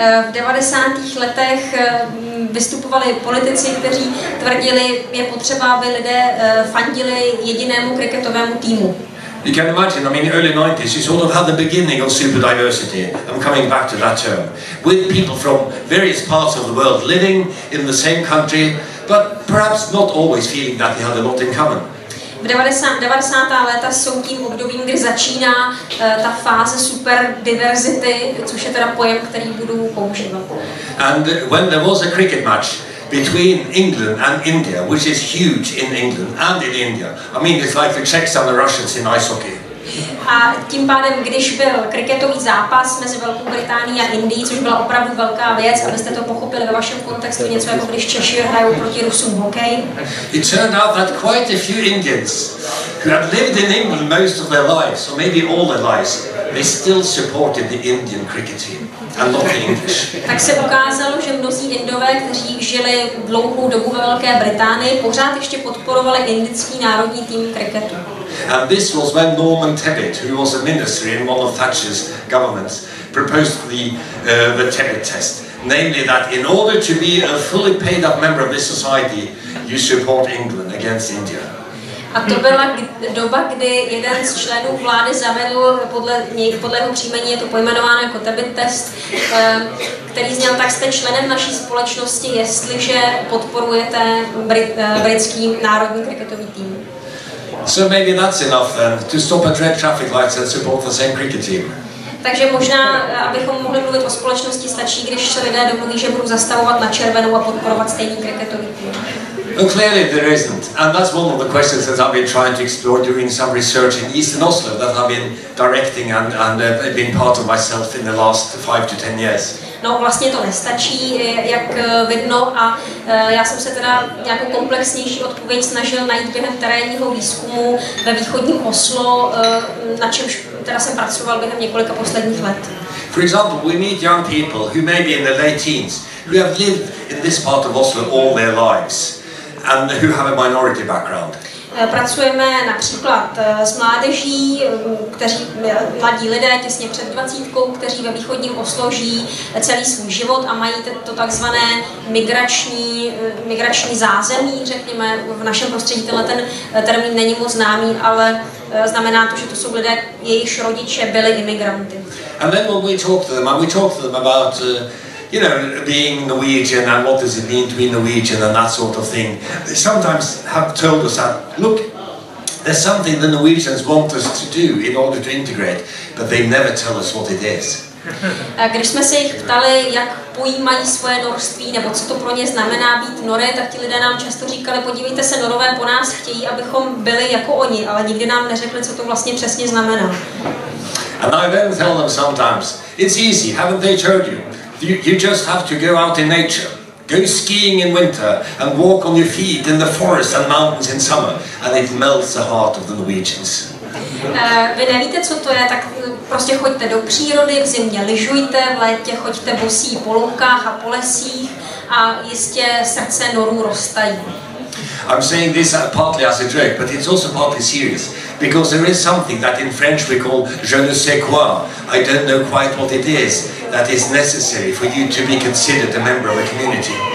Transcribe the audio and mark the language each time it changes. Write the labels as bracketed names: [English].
[Czech] V 90. letech vystupovali politici, kteří tvrdili, je potřeba, aby lidé fandili jedinému kriketovému týmu. [English] You can imagine, I mean, early 90s, you sort of had the beginning of superdiversity. I'm coming back to that term. With people from various parts of the world living in the same country, but perhaps not always feeling that they had a lot in common. [Czech] V 90. léta jsou tím obdobím, kdy začíná ta fáze superdiversity, což je teda pojem, který budu používat. [English] And when there was a cricket match between England and India, which is huge in England and in India. I mean, it's like the Czechs and the Russians in ice hockey. [Czech] A tím pádem, když byl kriketový zápas mezi Velkou Británií a Indií, což byla opravdu velká věc, abyste to pochopili ve vašem kontextu, něco jako když Češi hrajou proti Rusům hokej. [English] It turned out that quite a few Indians who had lived in England most of their lives, or maybe all their lives, they still supported the Indian cricket team and not the English. [Czech] Tak se ukázalo, že mnozí Indové, kteří žili dlouhou dobu ve Velké Británii, pořád ještě podporovali indický národní tým kriketu. [English] And this was when Norman Tebbit, who was a minister in one of Thatcher's governments, proposed the Tebbit test, namely that in order to be a fully paid up member of this society, you support England against India. [Czech] A to byla doba, kdy jeden z členů vlády zavedl, podle jeho příjmení je to pojmenováno jako Tebbit test, který zněl, tak jste členem naší společnosti, jestliže podporujete britský národní kriketový tým. [English] So maybe that's enough then to stop at red traffic lights and support the same cricket team. [Czech] Takže možná, abychom mohli mluvit o společnosti, stačí, když se lidé domluví, že budou zastavovat na červenou a podporovat stejný kriketový tým. [English] Well, clearly there isn't, and that's one of the questions that I've been trying to explore during some research in Eastern Oslo that I've been directing and been part of myself in the last 5 to 10 years. [Czech] No, vlastně to nestačí, jak vidno, a já jsem se teda nějakou komplexnější odpověď snažil najít během terénního výzkumu ve východním Oslo, na čemž teda jsem pracoval během několika posledních let. [English] For example, we meet young people who may be in their late teens, who have lived in this part of Oslo all their lives, and who have a minority background. [Czech] Pracujeme například s mládeží, kteří mladí lidé těsně před 20, kteří ve východním Oslo žijí celý svůj život a mají to takzvané migrační zázemí, řekněme, v našem prostředí tenhle ten termín není moc známý, ale znamená to, že to jsou lidé, jejichž rodiče byli imigranty. [English] And then when we talk to them, and we talk to them about you know, being Norwegian and what does it mean to be Norwegian and that sort of thing. They sometimes have told us that, look, there's something the Norwegians want us to do in order to integrate, but they never tell us what it is. [Czech] Když jsme se jich ptali, jak pojímají svoje norství, nebo co to pro ně znamená být Noré, tak ti lidé nám často říkali, podívejte se, Norové po nás chtějí, abychom byli jako oni, ale nikdy nám neřekli, co to vlastně přesně znamená. [English] And I then tell them sometimes, it's easy, haven't they told you? You just have to go out in nature, go skiing in winter, and walk on your feet in the forests and mountains in summer, and it melts the heart of the Norwegians. [Czech] Vy nevíte, co to je, tak prostě choďte do přírody, v zimě lyžujte, v létě choďte bosí po loukách a po lesích, a jistě srdce Norů roztají. [English] I'm saying this partly as a joke, but it's also partly serious, because there is something that in French we call je ne sais quoi, I don't know quite what it is, that is necessary for you to be considered a member of a community.